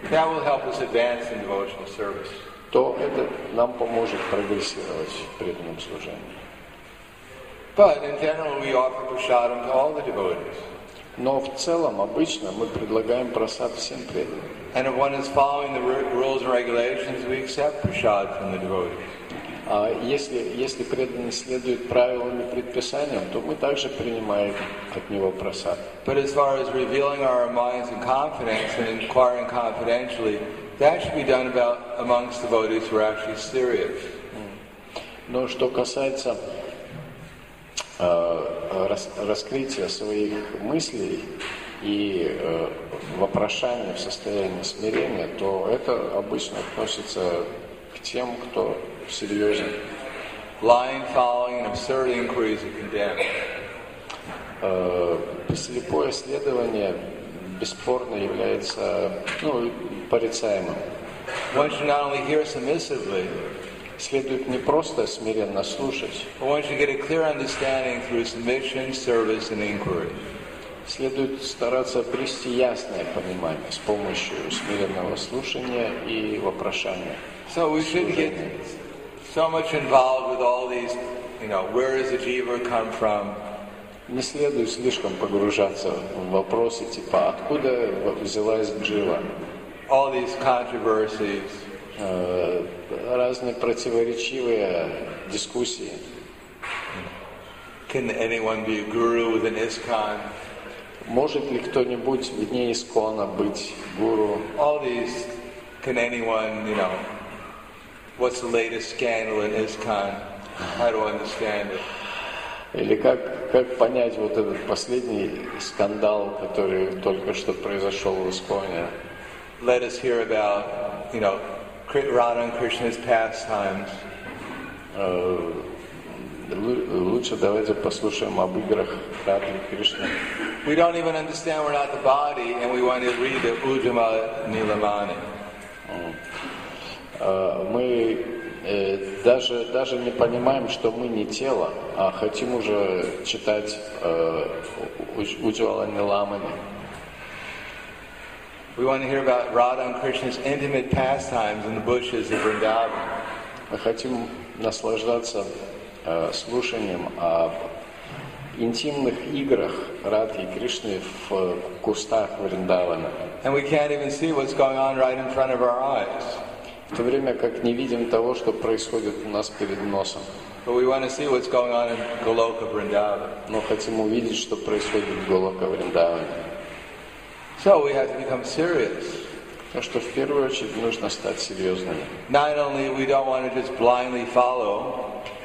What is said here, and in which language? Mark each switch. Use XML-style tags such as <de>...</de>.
<en>that will help us advance in devotional service.</en> <ru>То это нам поможет прогрессировать в преданном служении.</ru> <en>But in general, we offer prasadam to all the devotees.</en> <ru>Но в целом обычно мы предлагаем прасад всем преданным.</ru> <en>And if one is following the rules and regulations, we accept prasad from the devotees.</en> <ru>А если преданный следует правилам и предписаниям, то мы также принимаем от него прасад.</ru> <en>But as far as revealing our minds in confidence and inquiring confidentially, that should be done about amongst devotees who are actually serious.</en> <ru>Но что касается раскрытия своих мыслей и вопрошания в состоянии смирения, то это обычно относится к тем, кто серьезен.</ru> <en>Lying, following, and absurd inquiries are condemned.</en> <ru>Слепое следование бесспорно является, ну, порицаемым.</ru> <en>One should not only hear submissively,</en> <ru>следует не просто смиренно слушать,</ru> <en>but one should get a clear understanding through submission, service, and inquiry.</en> <ru>Следует стараться обрести ясное понимание с помощью смиренного слушания и вопрошания.</ru> <en>So we should get so much involved with all these, you know, where does the jiva come from?</en> <ru>Не следует слишком погружаться в вопросы типа откуда взялась джива.</ru> <en>All these controversies.</en> <ru>Разные противоречивые дискуссии.</ru> <en>Can anyone be a guru with an ISKCON?</en> <ru>Может ли кто-нибудь вне ИСККОНа быть гуру?</ru> <en>All these. Can anyone, you know, what's the latest scandal in ISKCON? How to understand it?</en> <ru>Или как понять вот этот последний скандал, который только что произошел в ИСККОНе?</ru> <en>Let us hear about, you know, Radha and Krishna's pastimes.</en> <ru>лучше давайте послушаем об играх Радхи Кришны.</ru> <en>We don't even understand we're not the body, and we want to read the Ujjama Nilamani.</en> <ru>Мы даже не понимаем, что мы не тело, а хотим уже читать Ujjama Nilamani.</ru> <en>We want to hear about Radha and Krishna's intimate pastimes in the bushes of Vrindavan.</en> <ru>Мы хотим наслаждаться слушанием об интимных играх Радхи и Кришны в кустах Вриндавана.</ru> <en>And we can't even see what's going on right in front of our eyes.</en> <ru>В то время как не видим того, что происходит у нас перед носом.</ru> <en>But we want to see what's going on in Goloka Vrindavan.</en> <ru>Но хотим увидеть, что происходит в Голока Вриндаване.</ru> <en>So we have to become serious.</en> <ru>Так что в первую очередь нужно стать серьезными.</ru> <en>Not only we don't want to just blindly follow.</en>